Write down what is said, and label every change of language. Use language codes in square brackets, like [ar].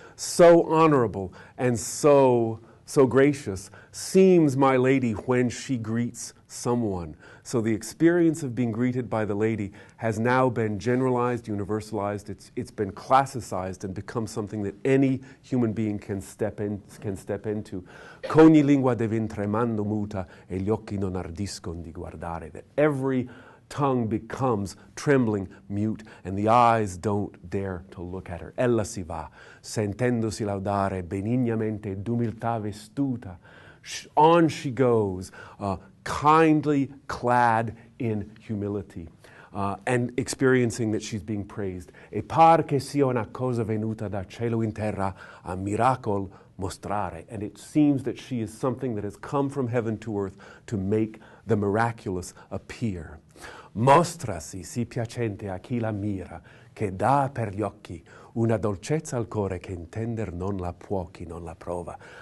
[en] So honorable and so gracious seems my lady when she greets someone. So the experience of being greeted by the lady has now been generalized, universalized. It's been classicized and become something that any human being can step into. [it] Ogni lingua devin tremando muta e gli occhi non ardiscon di guardare. [en] That every tongue becomes trembling, mute, and the eyes don't dare to look at her. [it] Ella si va, sentendosi laudare benignamente d'umiltà vestuta. [en] On she goes, kindly clad in humility, and experiencing that she's being praised. [it] E par che sia una cosa venuta da cielo in terra a miracol mostrare. [en] And it seems that she is something that has come from heaven to earth to make the miraculous appear. [it] Mostrasi si piacente a chi la mira, che dà per gli occhi una dolcezza al cuore che intender non la può chi non la prova.